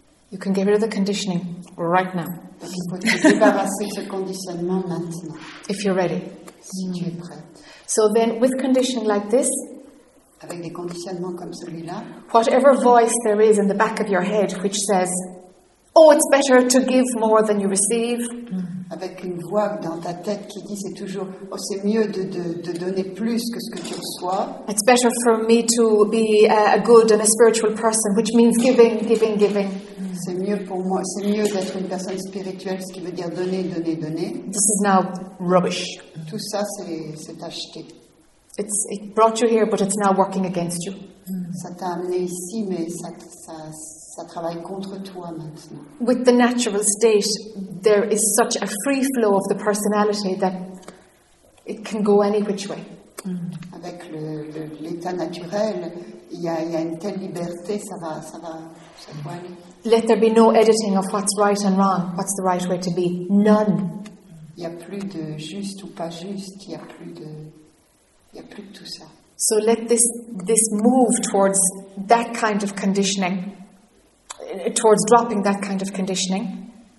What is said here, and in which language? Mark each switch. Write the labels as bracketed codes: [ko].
[en] You can get rid of the conditioning right now. [fr] Donc il faut te débarrasser de ce conditionnement maintenant. [en] If you're ready. [fr] Si tu es prête. [en] So then, with conditioning like this, [fr] avec des conditionnements comme celui-là, [en] whatever voice there is in the back of your head which says, oh, it's better to give more than you receive, [fr] avec une voix dans ta tête qui dit c'est toujours, oh, c'est mieux de donner plus que ce que tu reçois. [en] It's better for me to be a good and a spiritual person, which means giving, giving, giving. [fr] C'est mieux pour moi, c'est mieux d'être une personne spirituelle, ce qui veut dire donner, donner, donner. [en] This is now rubbish. [fr] Tout ça, c'est acheté. [en] It brought you here, but it's now working against you. [fr] Ça t'a amené ici, mais ça travaille contre toi maintenant. [en] With the natural state, there is such a free flow of the personality that it can go any which way. [fr] Avec l'état naturel, il y a une telle liberté, ça va aller. [en] Let there be no editing of what's right and wrong, what's the right way to be. None. [fr] Il y a plus de juste ou pas juste, il y a plus de tout ça. [en] So let this move towards that kind of conditioning, towards dropping that kind of conditioning.